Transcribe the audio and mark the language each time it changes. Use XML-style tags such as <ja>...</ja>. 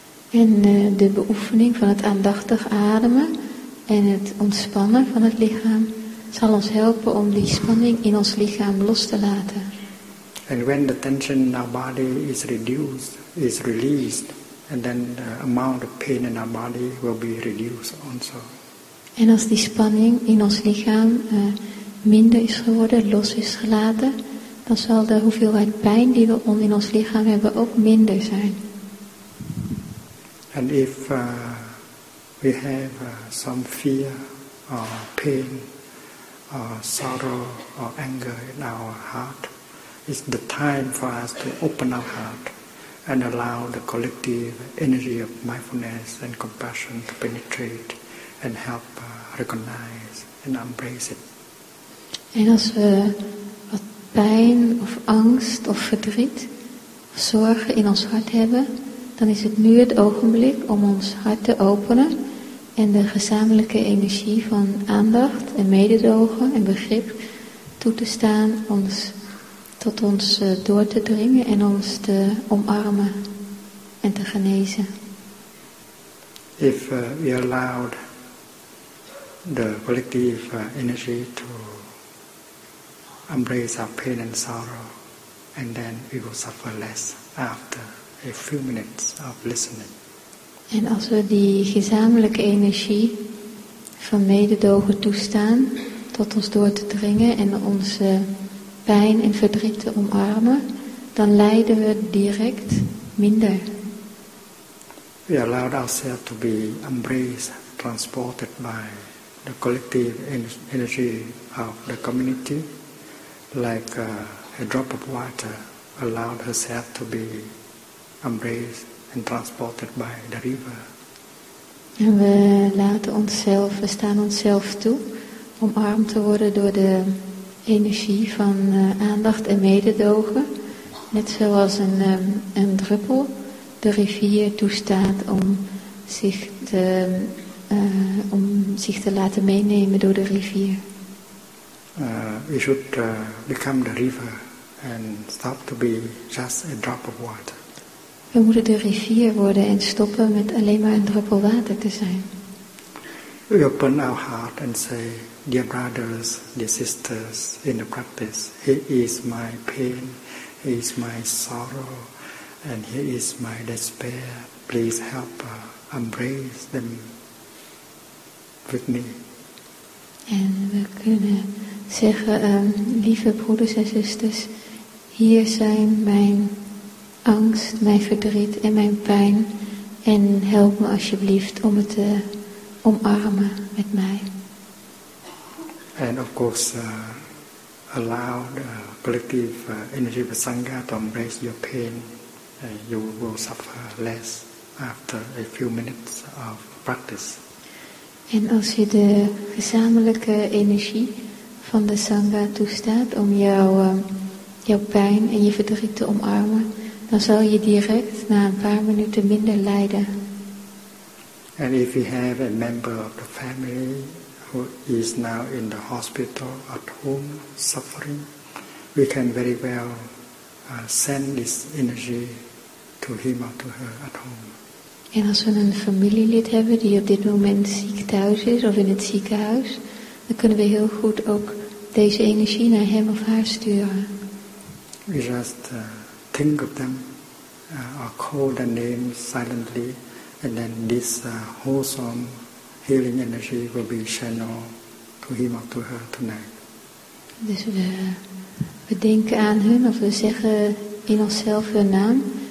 <nl>En de beoefening van het aandachtig ademen en het ontspannen van het lichaam zal ons helpen om die spanning in ons lichaam los te laten.</nl> <en>And when the tension in our body is reduced, is released, and then the amount of pain in our body will be reduced also.</en> <nl>En als die spanning in ons lichaam minder is geworden, los is gelaten, dan zal de hoeveelheid pijn die we in ons lichaam hebben ook minder zijn.</nl> <en>And if we have some fear or pain or sorrow or anger in our heart, it's the time for us to open our heart and allow the collective energy of mindfulness and compassion to penetrate and help recognize and embrace it.</en> <nl>En als we wat pijn of angst of verdriet of zorgen in ons hart hebben, dan is het nu het ogenblik om ons hart te openen en de gezamenlijke energie van aandacht en mededogen en begrip toe te staan ons tot ons door te dringen en ons te omarmen en te genezen.</nl> <en>If we allowed the collective energy to embrace our pain and sorrow, and then we will suffer less after a few minutes of listening.</en> <nl>En als we die gezamenlijke energie van mededogen toestaan tot ons door te dringen en onze pijn en verdriet te omarmen, dan lijden we direct minder.</nl> <en>We allow ourselves to be embraced, transported by the collective energy of the community. Like a drop of water allowed herself to be embraced and transported by the river.</en> <nl>En we laten onszelf, we staan onszelf toe, omarmd te worden door de energie van aandacht en mededogen. Net zoals een druppel de rivier toestaat om zich te, om zich te laten meenemen door de rivier.</nl> <en>We should become the river and stop to be just a drop of water.</en> <nl>We moeten de rivier worden en stoppen met alleen maar een druppel water te zijn.</nl> <en>We open our heart and say, dear brothers, dear sisters, in the practice, here is my pain, here is my sorrow, and here is my despair. Please help embrace them with me.</en> <nl>En we kunnen zeggen, lieve broeders en zusters, hier zijn mijn angst, mijn verdriet en mijn pijn, en help me alsjeblieft om het te omarmen met mij.</nl> <en>And of course, allow the collective energy of Sangha to embrace your pain. You will suffer less after a few minutes of practice.</en> <nl>En als je de gezamenlijke energie van de Sangha toestaat om jouw pijn en je verdriet te omarmen, dan zal je direct na een paar minuten minder lijden.</nl> <en>And if you have a member of the family who is now in the hospital at home suffering, we can very well send this energy to him or to her at home.</en> <nl>En als we een familielid hebben die op dit moment ziek thuis is of in het ziekenhuis, dan kunnen we heel goed ook deze energie naar hem of haar sturen.</nl> <en>We just think of them or call their name silently. And then this wholesome healing energy will be channeled to him or to her tonight.</en> <nl>Dus we denken aan hun of we zeggen in onszelf hun naam.</nl>